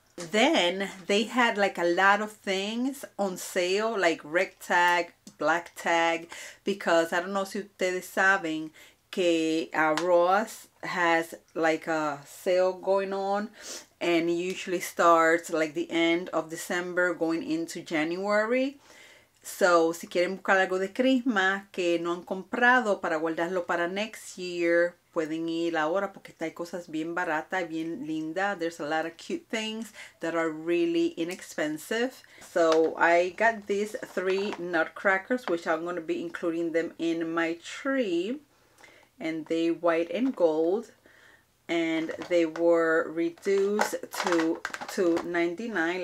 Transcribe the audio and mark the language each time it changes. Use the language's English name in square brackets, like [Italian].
[English] Then they had like a lot of things on sale, like red tag, black tag, because I don't know [Spanish] si ustedes saben que [English] Ross has like a sale going on, and it usually starts like the end of December going into January. [Spanish] So, si quieren buscar algo de Christmas que no han comprado para guardarlo para [English] next year, [Spanish] pueden ir ahora porque está hay cosas bien baratas, bien linda. [English] There's a lot of cute things that are really inexpensive. So, I got these three nutcrackers, which I'm going to be including them in my tree. And they white and gold. And they were reduced to $2.99.